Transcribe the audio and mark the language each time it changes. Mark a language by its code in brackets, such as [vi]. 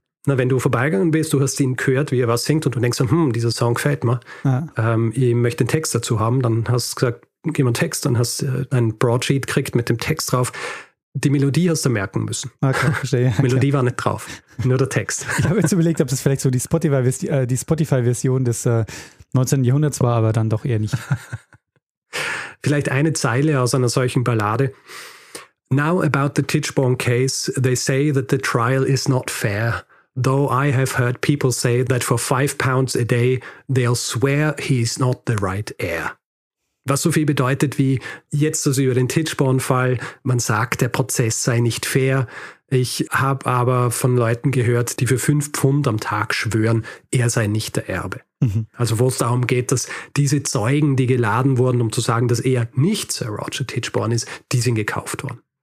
[de] Na, wenn du vorbeigegangen bist, du hast ihn gehört, wie er was singt und du denkst, dieser Song gefällt mir, ich möchte den Text dazu haben, dann hast du gesagt, gib mir einen Text, dann hast du ein Broadsheet gekriegt mit dem Text drauf. Die Melodie hast du merken müssen. Okay, verstehe. Ja, Melodie war nicht drauf, nur der Text. Ich habe jetzt überlegt, ob das vielleicht so die Spotify-Version des 19. Jahrhunderts war, aber dann doch eher nicht. Vielleicht eine Zeile aus einer solchen Ballade. [en] Now about the Tichborne case, they say that the trial is not fair. Though I have heard people say that for £5 a day, they'll swear he's not the right heir. [de] Was so viel bedeutet wie, jetzt also über den Tichborne-Fall, man sagt, der Prozess sei nicht fair. Ich habe aber von Leuten gehört, die für 5 Pfund am Tag schwören, er sei nicht der Erbe. Mhm. Also wo es darum geht, dass diese Zeugen, die geladen wurden, um zu sagen, dass er nicht Sir Roger Tichborne ist, die sind gekauft worden.